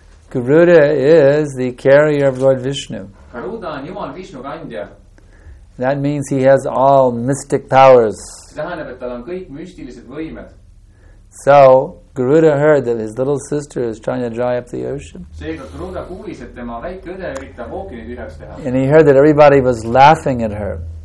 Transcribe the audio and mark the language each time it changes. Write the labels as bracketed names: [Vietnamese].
[English] Garuda is the carrier of Lord Vishnu. [Estonian] Garuda on Jumal Vishnu kandja. [English] That means he has all mystic powers. [Estonian] Tähendab, et tal on kõik müstilised võimed. [English] So, Garuda heard that his little sister is trying to dry up the ocean. [Estonian] Seega Garuda kuulis, et tema väike õde üritab ookeani tühjaks teha. [English] And he heard that everybody was laughing at her.